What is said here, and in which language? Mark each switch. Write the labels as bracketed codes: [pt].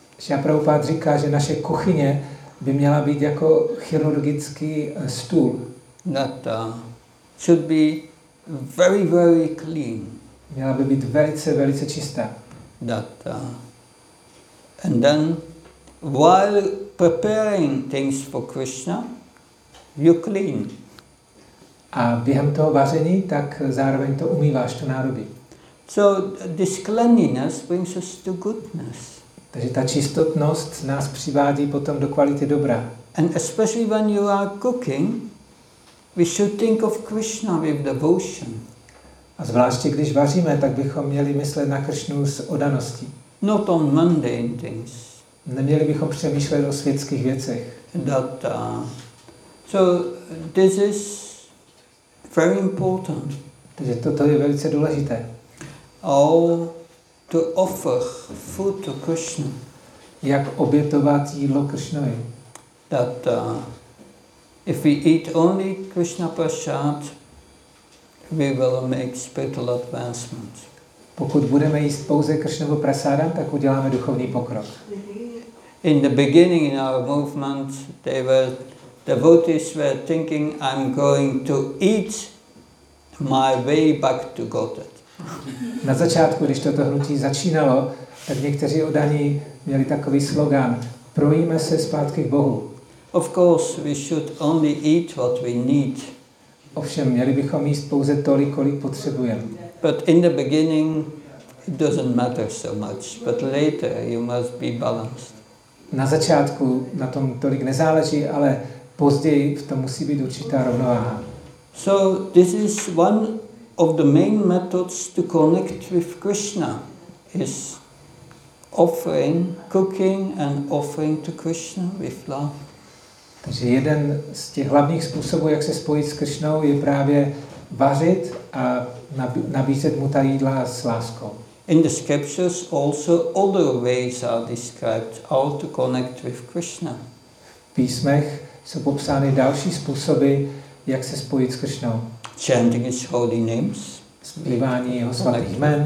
[cs] Já Prabhupada říká, že naše kuchyně by měla být jako chirurgický stůl. [en] That should be very, very clean. [cs] Měla by být velice, velice čistá. [en] That and then while preparing things for Krishna, you clean. [cs] A během toho vaření, tak zároveň to umýváš, to nárobí. [en] So this cleanliness brings us to goodness. [cs] Takže ta čistotnost nás přivádí potom do kvality dobra. [en] And especially when you are cooking, we should think of Krishna with devotion. [cs] A zvláště když vaříme, tak bychom měli myslet na Krishnu s oddaností. [en] Not on mundane things. [cs] Neměli bychom přemýšlet o světských věcech. [en] That, so this is very important. [cs] Takže toto je velice důležité. [en] All to offer food to Krishna. [cs] Jak obětovat jídlo Krishnovi. [en] That if we eat only Krishna prasad, we will make spiritual advancement. [cs] Pokud budeme jíst pouze Krishnovo prasádam, tak uděláme duchovní pokrok. [en] In the beginning in our movement, the devotees were thinking, I'm going to eat my way back to Godhead. [cs] Na začátku, když toto hnutí začínalo, tak někteří oddaní měli takový slogan: projíme se zpátky k Bohu. [en] Of course, we should only eat what we need. [cs] Ovšem, měli bychom jíst pouze tolik, kolik potřebujeme. [en] But in the beginning it doesn't matter so much, but later you must be balanced. [cs] Na začátku na tom tolik nezáleží, ale později v tom musí být určitá rovnováha. [en] So this is one of the main methods to connect with Krishna is offering, cooking and offering to Krishna with love. [cs] Takže jeden z těch hlavních způsobů, jak se spojit s Krishnou, je právě vařit a nabízet mu ta jídla s láskou. [en] In the scriptures also other ways are described how to connect with Krishna. [cs] V písmech jsou popsány další způsoby, jak se spojit s Krishnou. [en] Chanting his holy names, [cs] zpívání jeho svatých jmen.